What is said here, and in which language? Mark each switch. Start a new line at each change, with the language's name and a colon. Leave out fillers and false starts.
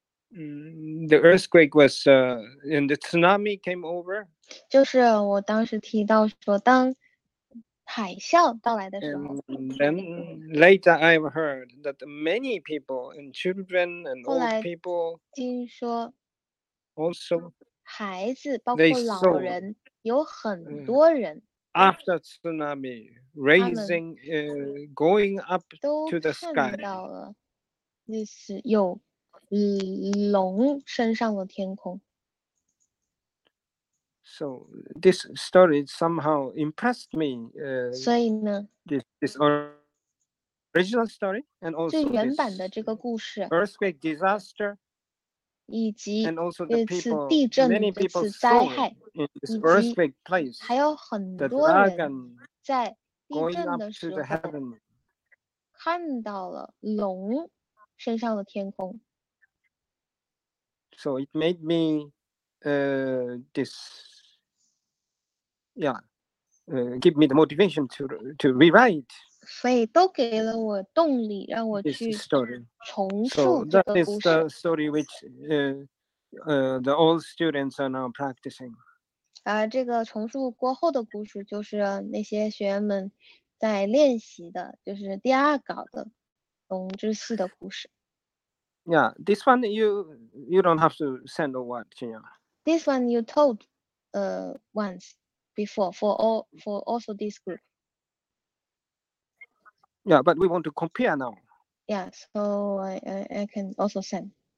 English: The earthquake was, and the tsunami came over.
Chinese: 就是我当时提到说，当海啸到来的时候。
English: And then later, I've heard that many people and children and old people.
Chinese: 听说。
English: Also.
Chinese: 孩子包括老人，有很多人。
English: After tsunami, raising, going up to the sky.
Chinese: 都看到了，那是有。龙升上了天空。
English: So this story somehow impressed me.
Chinese: 所以呢
English: ，this original story and also this
Chinese: 这原版的这个故事
English: earthquake disaster
Chinese: 以及
English: and also the people
Chinese: 地震
English: many people 灾害 in this earthquake place
Chinese: 还有很多人在地震的时候看到了龙升上了天空。
English: So it made me, give me the motivation to rewrite.
Chinese: 所以都给了我动力，让我去重述这个故事。
English: So that is the story which, the old students are now practicing.
Chinese: 这个重述过后的故事就是那些学员们在练习的，就是第二稿的龙之四的故事。
English: Yeah, this one you don't have to send or what, Chinya. This one you told, once before for also this group. Yeah, but we want to compare now. Yeah, so I can also send.